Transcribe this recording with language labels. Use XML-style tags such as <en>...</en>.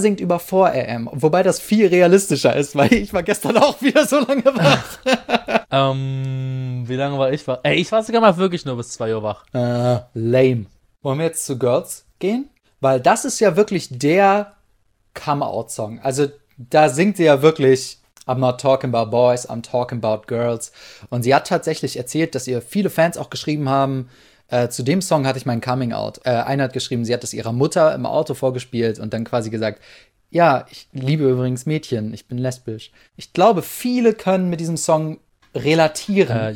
<de>singt über 4 AM, wobei das viel realistischer ist, weil ich war gestern auch wieder so lange wach. Wie lange war ich wach? Ey, ich war sogar mal wirklich nur bis 2 Uhr wach. lame. Wollen wir jetzt zu Girls gehen? Weil das ist ja wirklich der Come-out-Song. Also da singt sie ja wirklich.</de> <en>I'm not talking about boys, I'm talking about girls.</en> <de>Und sie hat tatsächlich erzählt, dass ihr viele Fans auch geschrieben haben, zu dem Song hatte ich mein Coming Out. Einer hat geschrieben, sie hat es ihrer Mutter im Auto vorgespielt und dann quasi gesagt, ja, ich liebe übrigens Mädchen, ich bin lesbisch. Ich glaube, viele können mit diesem Song relatieren.</de>